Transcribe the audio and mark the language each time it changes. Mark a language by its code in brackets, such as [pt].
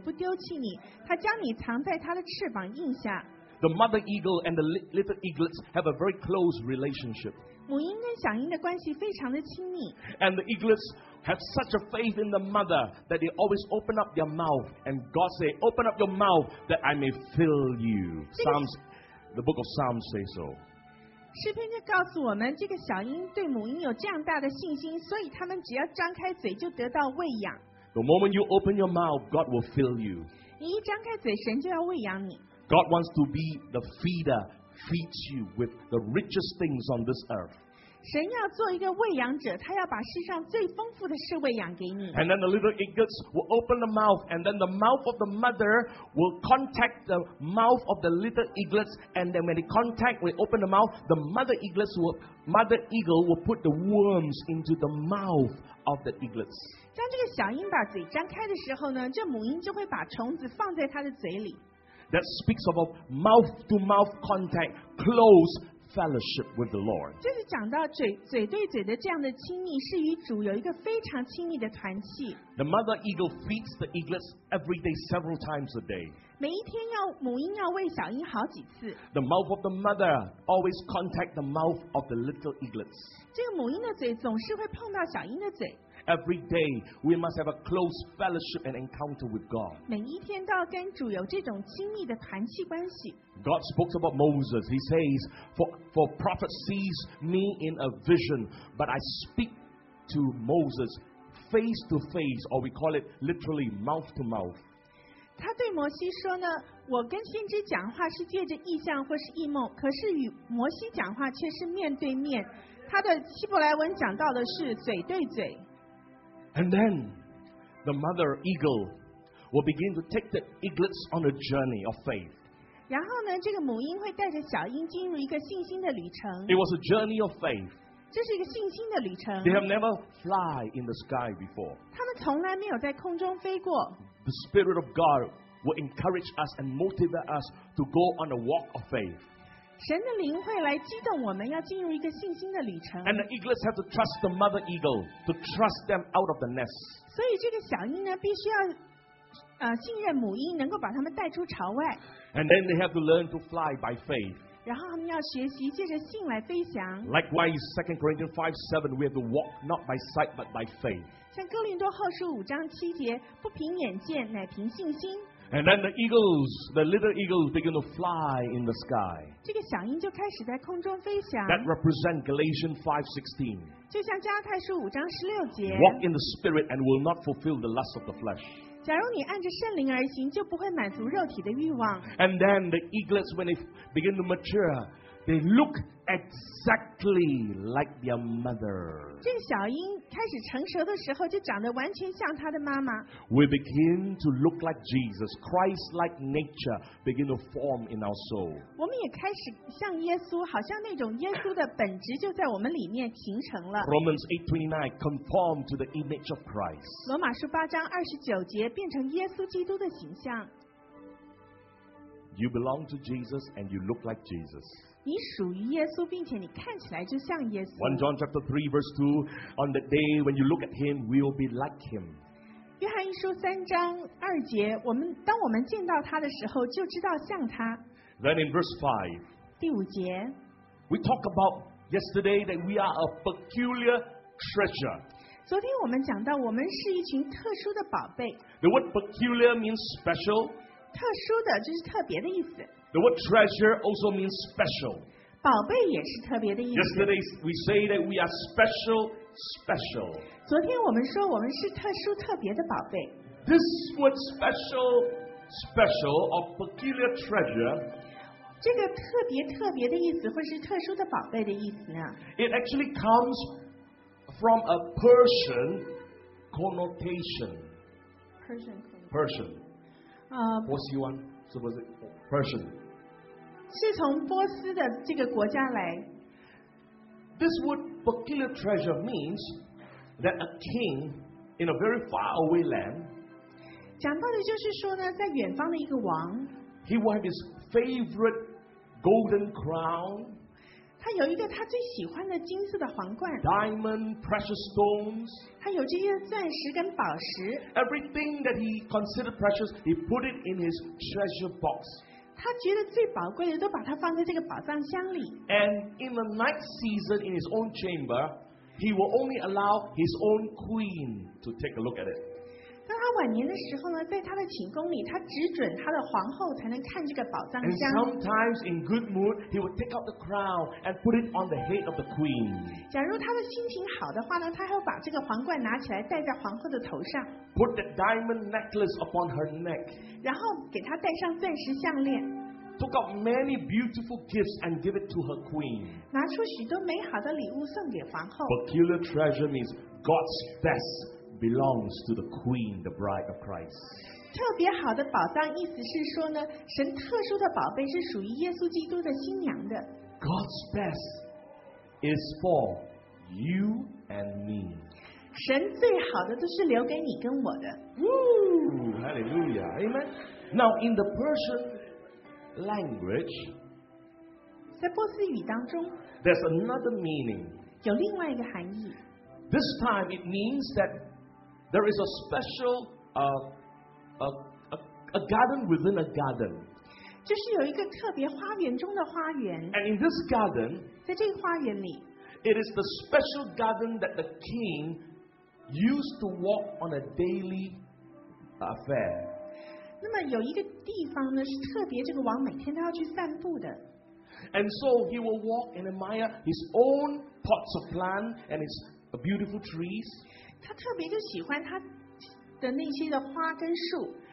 [zh] 13章5节，主绝不离开你，也不丢弃你，他将你藏在他的翅膀荫下。 [en] The mother eagle and the little eaglets have a very close relationship. [zh] 母鹰跟小鹰的关系非常的亲密。 [en] And the eaglets have such a faith in the mother that they always open up their mouth, and God say, open up your mouth that I may fill you. Psalms, the book of Psalms say so. [zh] 诗篇就告诉我们，这个小鹰对母鹰有这样大的信心，所以他们只要张开嘴就得到喂养。 [en] The moment you open your mouth, God will fill you. [zh] 你一张开嘴，神就要喂养你。 [en] God wants to be the feeder, feeds you with the richest things on this earth. [zh] 神要做一个喂养者，他要把世上最丰富的事喂养给你。 [en] And then the little eaglets will open the mouth, and then the mouth of the mother will contact the mouth of the little eaglets, and then when they contact, when they open the mouth, the mother eagle will put the worms into the mouth of the eaglets. [zh] 当这个小鹰把嘴张开的时候呢，这母鹰就会把虫子放在它的嘴里。 [en] That speaks of a mouth-to-mouth contact, close fellowship with the Lord. [zh] 就是讲到嘴对嘴的这样的亲密，是与主有一个非常亲密的团契。 [en] The mother eagle feeds the eaglets every day, several times a day. [zh] 每一天要母鹰要喂小鹰好几次。 [en] The mouth of the mother always contact the mouth of the little eaglets. [zh] 这个母鹰的嘴总是会碰到小鹰的嘴。 [en] Every day, we must have a close fellowship and encounter with God. [zh] 每一天都要跟主有这种亲密的团契关系。 [en] God spoke about Moses. He says, for prophet sees me in a vision, but I speak to Moses face to face, or we call it literally mouth to mouth. [zh] 他对摩西说呢，我跟先知讲话是借着异象或是异梦，可是与摩西讲话却是面对面。他的希伯来文讲到的是嘴对嘴。 [en] And then the mother eagle will begin to take the eaglets on a journey of faith. [zh] 然后呢，这个母鹰会带着小鹰进入一个信心的旅程。 [en] It was a journey of faith. [zh] 这是一个信心的旅程。 [en] They have never fly in the sky before. [zh] 他们从来没有在空中飞过。 [en] The Spirit of God will encourage us and motivate us to go on a walk of faith. [zh] 神的灵会来激动我们要进入一个信心的旅程。 [en] And the eaglets have to trust the mother eagle to trust them out of the nest. [zh] 所以这个小鹰呢，必须要信任母鹰，能够把它们带出巢外。 [en] And then they have to learn to fly by faith. [zh] 然后他们要学习借着信来飞翔。 [en] Likewise, 2 Corinthians 5:7, we have to walk not by sight but by faith. [zh] 像哥林多后书五章七节，不凭眼见，乃凭信心。 [en] And then the little eagles begin to fly in the sky. [zh] 这个小鹰就开始在空中飞翔。 [en] That represents Galatians 5:16. [zh] 就像加太书五章十六节。 [en] Walk in the spirit and will not fulfill the lust of the flesh. [zh] 假如你按着圣灵而行，就不会满足肉体的欲望。 [en] And then the eaglets, when they begin to mature, they look exactly like their mother. [zh] 这个小鹰开始成熟的时候就长得完全像他的妈妈。 [en] We begin to look like Jesus, Christ-like nature begin to form in our soul. [zh] 我们也开始像耶稣，好像那种耶稣的本质就在我们里面形成了。 [en] Romans 8:29, conform to the image of Christ. [zh] 罗马书八章二十九节，变成耶稣基督的形象。 [en] You belong to Jesus and you look like Jesus. [zh] 你属于耶稣，并且你看起来就像耶稣。 [en] 1 John chapter 3 verse 2, on the day when you look at him, we will be like him. [zh] 约翰一书三章二节，当我们见到他的时候，就知道像他。 [en] Then in verse 5, [zh] 第五节， [en] we talk about yesterday that we are a peculiar treasure. [zh] 昨天我们讲到，我们是一群特殊的宝贝。 [en] The word peculiar means special. [zh] 特殊的就是特别的意思。 [en] The word treasure also means special. [zh] 宝贝也是特别的意思。 [en] Yesterday we say that we are special, special. [zh] 昨天我们说我们是特殊特别的宝贝。 [en] This word special, special or peculiar treasure. [zh] 这个特别特别的意思或是特殊的宝贝的意思呢？ [en] It actually comes from a Persian connotation. Persian. Persian. What's your one? Persian. [zh] 是从波斯的这个国家来。 [en] This word peculiar treasure means that a king in a very far away land. [zh] 讲到的就是说呢，在远方的一个王。 [en] He will have his favorite golden crown. [zh] 他有一个他最喜欢的金色的皇冠。 [en] Diamond, precious stones. [zh] 他有这些钻石跟宝石。 [en] Everything that he considered precious, he put it in his treasure box. [zh] 他觉得最宝贵的都把它放在这个宝藏箱里。 [en] And in the night season in his own chamber, he will only allow his own queen to take a look at it. [zh] 当他晚年的时候呢，在他的寝宫里，他只准他的皇后才能看这个宝藏箱。 [en] And sometimes in good mood, he will take out the crown and put it on the head of the queen. [zh] 假如他的心情好的话呢，他还会把这个皇冠拿起来戴在皇后的头上。 [en] Put the diamond necklace upon her neck. [zh] 然后给她戴上钻石项链。 [en] took out many beautiful gifts and gave it to her queen. [zh] 拿出许多美好的礼物送给皇后。 [en] Peculiar treasure means God's best belongs to the queen, the bride of Christ. [zh] 特别好的宝藏意思是说呢，神特殊的宝贝是属于耶稣基督的新娘的。 [en] God's best is for you and me. [zh] 神最好的都是留给你跟我的。 [en] Woo, hallelujah, amen. Now in the Persian language, [zh] 在波斯语当中 [en] there's another meaning. [zh] 有另外一个含义。 [en] This time it means that there is a special a garden within a garden. [zh] 就是有一个特别花园中的花园。 [en] And in this garden, [zh] 在这个花园里。 [en] It is the special garden that the king used to walk on a daily affair. [zh] 那么有一个地方呢，是特别这个王每天都要去散步的。 [en] And so he will walk and admire his own pots of plant and his beautiful trees. [zh] 他特别就喜欢他的那些的花跟树。